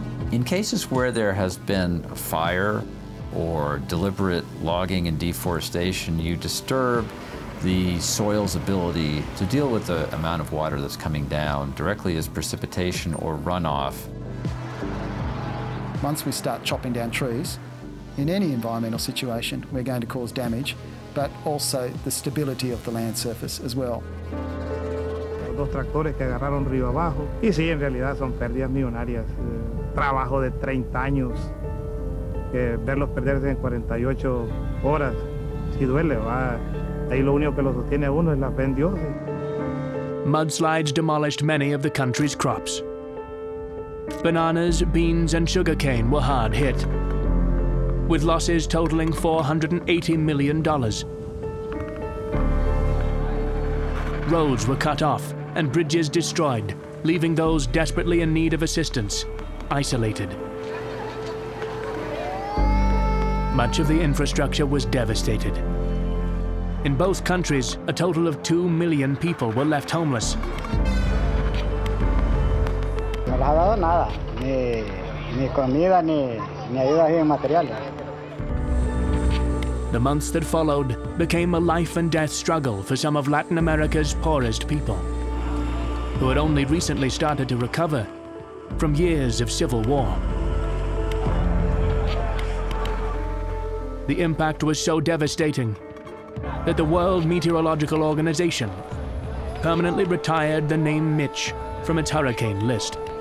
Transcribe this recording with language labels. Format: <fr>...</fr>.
<en>In cases where there has been fire or deliberate logging and deforestation, you disturb the soil's ability to deal with the amount of water that's coming down directly as precipitation or runoff. Once we start chopping down trees, in any environmental situation, we're going to cause damage, but also the stability of the land surface as well.</en> <es>Dos tractores que agarraron río abajo, y sí, en realidad son pérdidas millonarias. Trabajo de 30 años, verlos perderse en 48 horas, sí duele, va. Ahí lo único que lo sostiene a uno es la fe en Dios.</es> <en>Mudslides demolished many of the country's crops. Bananas, beans, and sugarcane were hard hit, with losses totaling $480 million. Roads were cut off and bridges destroyed, leaving those desperately in need of assistance isolated. Much of the infrastructure was devastated. In both countries, a total of 2 million people were left homeless.</en> <es>No les ha dado nada, ni comida, ni ayuda en materiales.</es> <en>The months that followed became a life and death struggle for some of Latin America's poorest people, who had only recently started to recover from years of civil war. The impact was so devastating that the World Meteorological Organization permanently retired the name Mitch from its hurricane list.</en>